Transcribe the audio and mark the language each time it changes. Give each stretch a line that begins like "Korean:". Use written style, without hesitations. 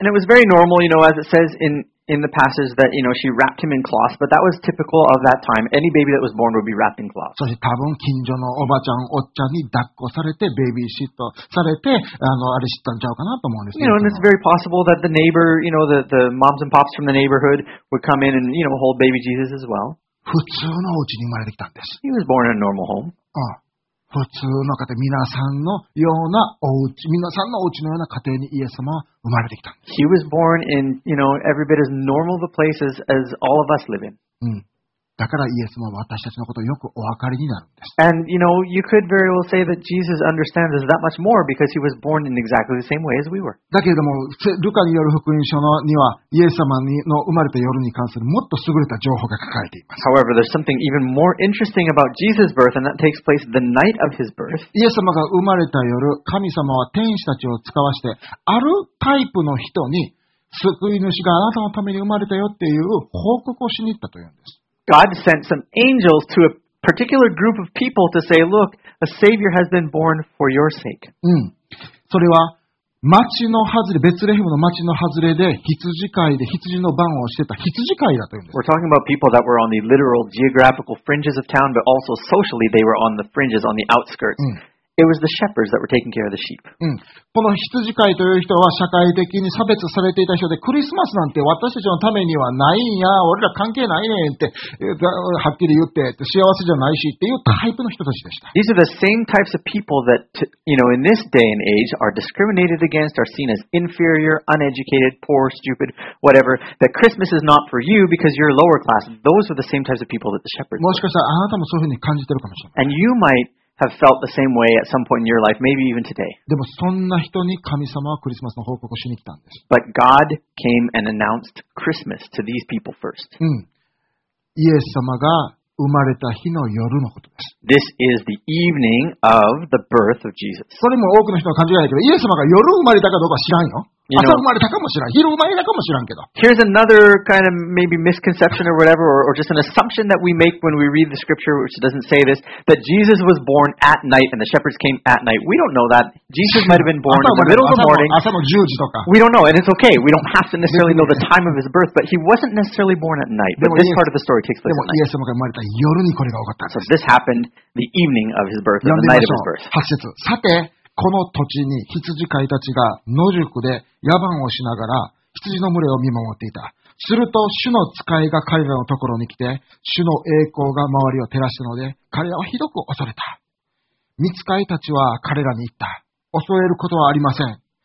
English: And it was very normal, you know, as it says in the passage that, you know, she wrapped him in cloth, but that was typical of that time. Any baby that was born would be wrapped in cloth.
Japanese: そして多分近所のおばちゃん、おっちゃんに抱っこされて、ベビーシットされて、あれ知ったんちゃうかなと思うんですね。
English: You know, and it's very possible that the neighbor, you know, the moms and pops from the neighborhood would come in and, you know, hold baby Jesus as well.
Japanese: 普通のお家に生まれてきたんです。
English: He was born in a normal home. ああ。
Japanese: 普通の家庭、皆さんのようなお家、皆さんのお家のような家庭にイエス様は生まれてきたんです。
English: He was born in, you know, every bit as normal of a place as all of us live in. うん。
Japanese: だからイエスも私たちのことをよくお分かりになるんです。
English: And you know, you could very well say that Jesus understands us that much more because he was born in exactly the same way as we were.
Japanese: だけれども、ルカによる福音書にはイエス様の生まれた夜に関するもっと優れた情報が書かれています。
English: However, there's something even more interesting about Jesus' birth, and that takes place the night of his birth.
Japanese: イエス様が生まれた夜、神様は天使たちを使わせてあるタイプの人に救い主があなたのために生まれたよっていう報告をしに行ったというんです。
English: God sent some angels to a particular group of people to say, look, a savior has been born for your sake. うん。
Japanese: それは町の外れ、ベツレヘムの町の外れで羊飼いで羊の番をしてた羊飼いだというんです。
English: We're talking about people that were on the literal geographical fringes of town, but also socially they were on the fringes, on the outskirts.、うん、 It was the shepherds that were taking care of the sheep. うん。
Japanese: この羊飼いという人は社会的に差別されていた人で、クリスマスなんて私たちのためにはないんや、俺ら関係ないねんって、はっきり言って、幸せじゃないしっていうタイプの人たちでした。
English: These are the same types of people that, you know, in this day and age are discriminated against, are seen as inferior, uneducated, poor, stupid, whatever, that Christmas is not for you because you're lower class. Those are the same types of people that the shepherds are.
Japanese: もしかしたらあなたもそういうふうに感じてるかもしれない。
English: And you might have felt the same way at some point in your life, maybe even today.
Japanese: でもそんな人に神様はクリスマスの報告をしに来たんです。
English: But God came and announced Christmas to these people first. うん。
Japanese: イエス様が生まれた日の夜のことです。
English: This is the evening of the birth of Jesus.
Japanese: それも多くの人は感じないけど、イエス様が夜生まれたかどうか知らんよ。
English: You know,
Japanese: 朝生まれたかもしらん、昼生まれたかもしらんけど。
English: Here's another kind of maybe misconception or whatever, or just an assumption that we make when we read the scripture, which doesn't say this, that Jesus was born at night and the shepherds came at night. We don't know that. Jesus might have been born in the middle of the morning.
Japanese: 朝の10時とか。
English: We don't know, and it's okay. We don't have to necessarily know the time of his birth, but he wasn't necessarily born at night. But this part of the story takes place at night.
Japanese: でもイエス様が生まれた夜にこれが起こったんです。
English: So this happened the evening of his birth, the night of his birth.
Japanese: 8節。さて、この土地に羊飼いたちが野宿で野蛮をしながら羊の群れを見守っていた。すると主の使いが彼らのところに来て、主の栄光が周りを照らしたので彼らはひどく恐れた。御使いたちは彼らに言った。恐れることはありません。